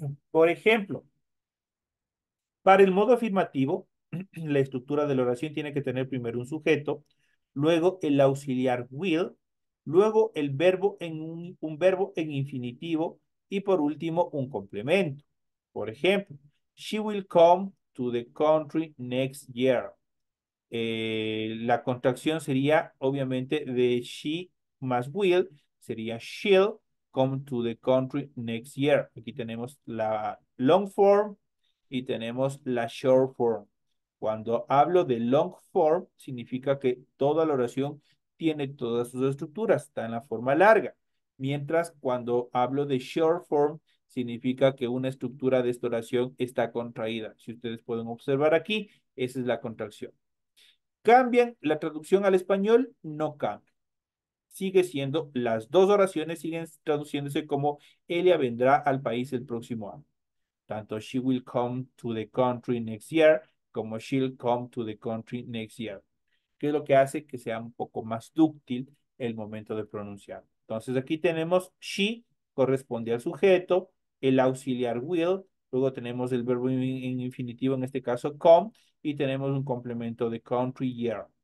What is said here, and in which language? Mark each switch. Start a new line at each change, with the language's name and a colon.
Spanish: Por ejemplo, para el modo afirmativo, la estructura de la oración tiene que tener primero un sujeto, luego el auxiliar will, luego el verbo en un verbo en infinitivo y por último un complemento. Por ejemplo,
English: she will come to the country next year.
Spanish: La contracción sería obviamente de she más will, sería
English: she'll come to the country next year.
Spanish: Aquí tenemos la long form y tenemos la short form. Cuando hablo de long form, significa que toda la oración tiene todas sus estructuras, está en la forma larga. Mientras cuando hablo de short form, significa que una estructura de esta oración está contraída. Si ustedes pueden observar aquí, esa es la contracción. ¿Cambian la traducción al español? No cambia. Sigue siendo, las dos oraciones siguen traduciéndose como ella vendrá al país el próximo año. Tanto
English: she will come to the country next year
Spanish: como
English: she'll come to the country next year.
Spanish: ¿Qué es lo que hace que sea un poco más dúctil el momento de pronunciar? Entonces aquí tenemos she corresponde al sujeto, el auxiliar will, luego tenemos el verbo en infinitivo, en este caso come, y tenemos un complemento de country year.